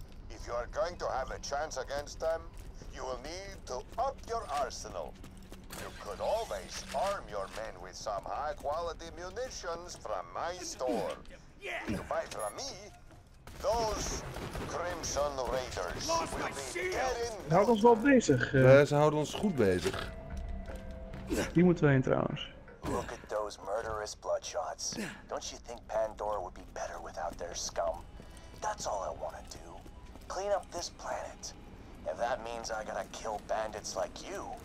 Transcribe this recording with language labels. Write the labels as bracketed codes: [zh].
[en] If you are going to have a chance against them, you will need to up your arsenal. You could always arm your men with some high-quality munitions from my store. Yeah. You buy from me, those Crimson Raiders will be getting... [nl] Houd ons wel bezig. Ze houden ons goed bezig. Die moeten we heen trouwens. [en] Look at those murderous bloodshots. Don't you think Pandora would be better without their scum? That's all I want to do. Clean up this planet. If that means I gotta kill bandits like you...